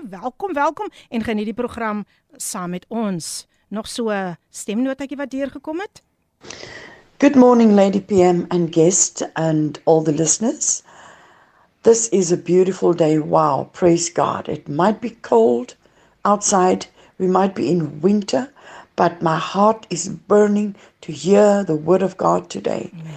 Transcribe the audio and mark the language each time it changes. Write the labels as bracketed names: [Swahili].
[Afrikaans] Welkom, welkom en geniet die program saam met ons. Nog so 'n stemnotetjie wat deurgekom het. [English] Good morning, Lady PM and guests and all the listeners. This is a beautiful day. Wow, praise God. It might be cold outside. We might be in winter, but my heart is burning to hear the word of God today.